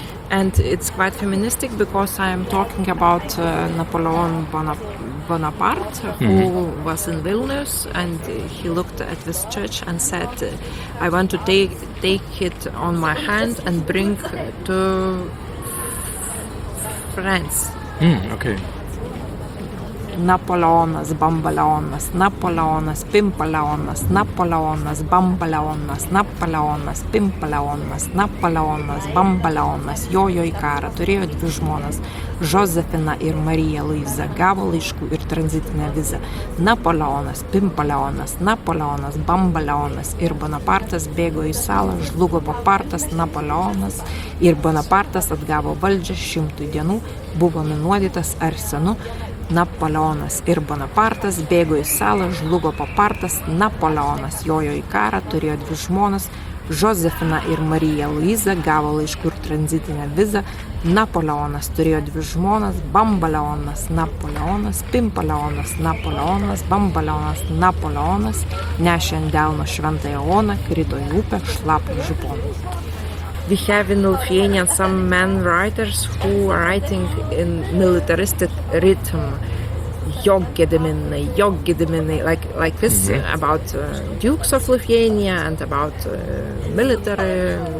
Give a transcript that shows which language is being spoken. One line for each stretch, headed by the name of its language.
English: And it's quite feministic because I'm talking about Napoleon Bonaparte, who was in Vilnius, and he looked at this church and said, I want to take it on my hand and bring to France.
Lithuanian: Napoleonas, Bambaleonas, Napoleonas, Pimpaleonas, Napoleonas, Bambaleonas, Napoleonas, Pimpaleonas, Napoleonas, Bambaleonas, jojo į karą, turėjo dvi žmonas, Josefina ir Marija Luiza, gavo laiškų ir tranzitinę vizą. Napoleonas, Pimpaleonas, Napoleonas, Bambaleonas ir Bonapartas bėgo į salą, žlugo Bonapartas, Napoleonas ir Bonapartas atgavo valdžią 100 dienų, buvo nunuodytas arsenu, Napoleonas ir Bonapartas bėgo į salą, žlugo Bonapartas, Napoleonas jojo į karą, turėjo dvi žmonas, Josefina ir Marija Luiza gavo laiškų ir tranzitinę vizą, Napoleonas turėjo dvi žmonas, Bambaleonas, Napoleonas, Pimpaleonas, Napoleonas, Bambaleonas, Napoleonas, nešė ant delno šventąją oną, krito į upę, šlapo župoną.
English: We have in Lithuania some men writers who are writing in militaristic rhythm, Jogediminai, like this, about dukes of Lithuania and about military.